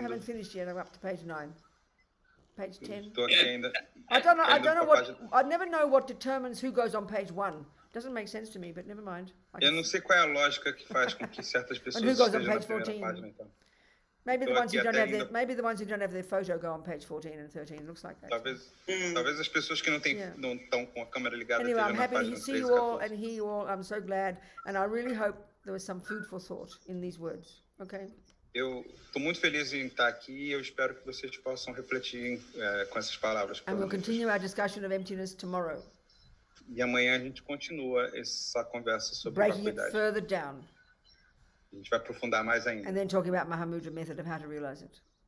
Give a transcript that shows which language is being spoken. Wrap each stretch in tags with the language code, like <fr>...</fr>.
<en>I haven't finished yet. I'm up to page 9. Page 10.</en> <pt>Estou aqui ainda.</pt> <en>I don't know what. I never know what determines who goes on page 1. Doesn't make sense to me, but never mind.</en> <pt>Eu não sei qual é a lógica que faz com que certas pessoas.</pt> <en>And who goes on page 14? Maybe the ones who don't have their photo go on page 14 and 13. It looks like that.</en> <pt>Talvez as pessoas que não têm não estão com a câmera ligada.</pt> <en>Anyway, I'm happy to see you all and hear you all. I'm so glad, and I really hope there was some food for thought in these words. Okay.</en> <pt>Eu estou muito feliz em estar aqui e eu espero que vocês possam refletir com essas palavras.</pt> <en>And we'll continue our discussion of emptiness tomorrow.</en> <pt>E amanhã a gente continua essa conversa sobre</pt> <en>breaking it further down.</en> <pt>A gente vai aprofundar mais ainda.</pt> <en>And then talking about Mahamudra method of how to realize it.</en>